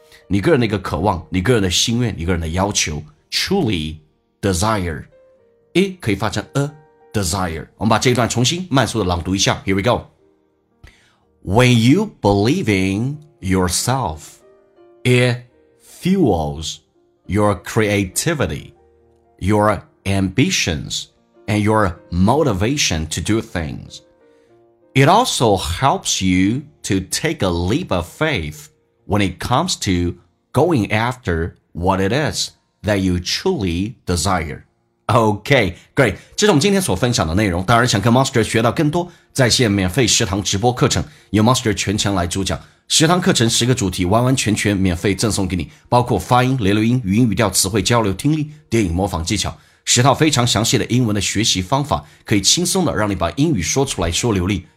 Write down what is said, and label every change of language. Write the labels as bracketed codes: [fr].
[zh] 你个人的一个渴望，你个人的心愿，你个人的要求。 [en] Truly desire. It [zh] 可以发成 [en] a desire. [zh] 我们把这一段重新慢速的朗读一下。 [en] Here we go. When you believe in yourself, it fuels your creativity, your ambitions, and your motivation to do things. It also helps you to take a leap of faith when it comes togoing after what it is that you truly desire. Okay, great. [zh] 这是我们今天所分享的内容。当然想跟 Monster 学到更多在线免费食堂直播课程，由 Monster 全程来主讲。食堂课程10个主题完完全全免费赠送给你，包括发音、连留音、语音语调、词汇交流、听力、电影模仿技巧，10套非常详细的英文的学习方法，可以轻松的让你把英语说出来说流利。